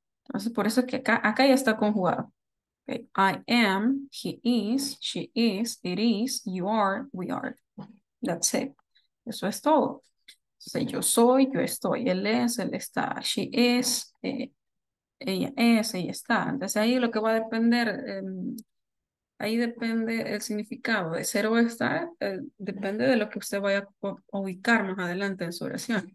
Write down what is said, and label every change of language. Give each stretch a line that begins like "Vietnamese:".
Spanish: Entonces, por eso es que acá ya está conjugado.
English: Okay. I am, he is, she is, you are, we are. That's it.
Spanish: Eso es todo. Entonces, yo soy, yo estoy, él está,
English: she is,
Spanish: ella es, ella está. Entonces ahí lo que va a depender, ahí depende el significado de ser o estar, depende de lo que usted vaya a ubicar más adelante en su oración.